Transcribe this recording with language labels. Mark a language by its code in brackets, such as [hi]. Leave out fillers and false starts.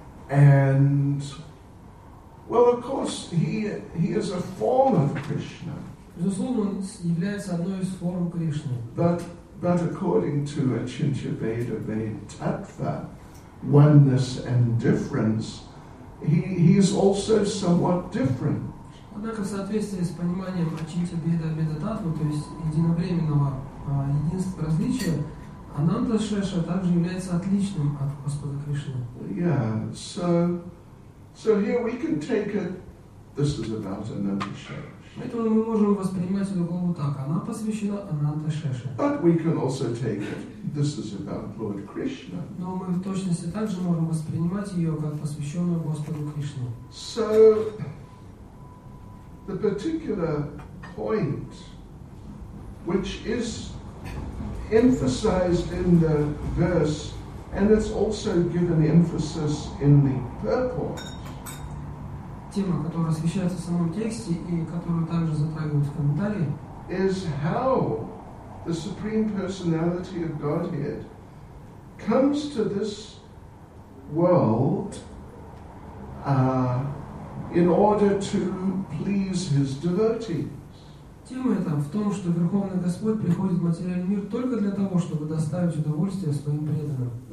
[en] And, well, of course, he is a form of Krishna. But according to Achintya Veda Vedatattva, oneness and difference, he is also somewhat different. [ru] Однако в соответствии с пониманием Ачинтья Веда Вейдататвы, то есть единовременного единства различия, Ананта Шеша также является отличным от Господа Кришны. [en] Yeah, so here we can take it. This is about Ananta Шеша. [ru] Поэтому мы можем воспринимать эту главу так. Она посвящена Ананта Шеше. [en] But we can also take it. This is about Lord Krishna. [ru] Но мы в точности также можем воспринимать ее как посвященную Господу Кришне. [en] So, the particular point, which is emphasized in the verse, and it's also given emphasis in the purport, [ru] тема, которая освещается в самом тексте и которую также затрагивают в комментарии, [en] is how the Supreme Personality of Godhead comes to this world in order to please his devotees. [ru] Тема эта в том, что Верховный Господь приходит в материальный мир только для того, чтобы доставить удовольствие своим преданным.